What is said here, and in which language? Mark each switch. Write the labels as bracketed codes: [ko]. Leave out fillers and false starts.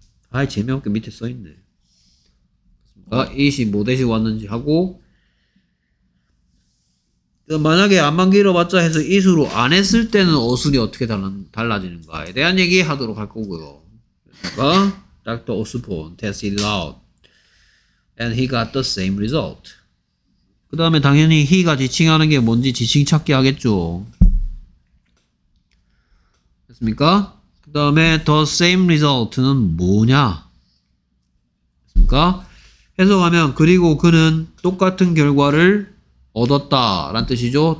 [ko] 아이 재미없게 밑에 써있네. 아 it이 뭐 대신 왔는지 하고 만약에 안만 길어봤자 해서 it으로 안 했을 때는 어순이 어떻게 달라지는가에 대한 얘기 하도록 할 거고요. 그러니까 Dr. [en] Osborne tested it out and he got the same result. [ko] 그 다음에 당연히 he가 지칭하는 게 뭔지 지칭 찾기 하겠죠. 그 다음에 the same result는 뭐냐? 됐습니까? 해석하면 그리고 그는 똑같은 결과를 얻었다 라는 뜻이죠.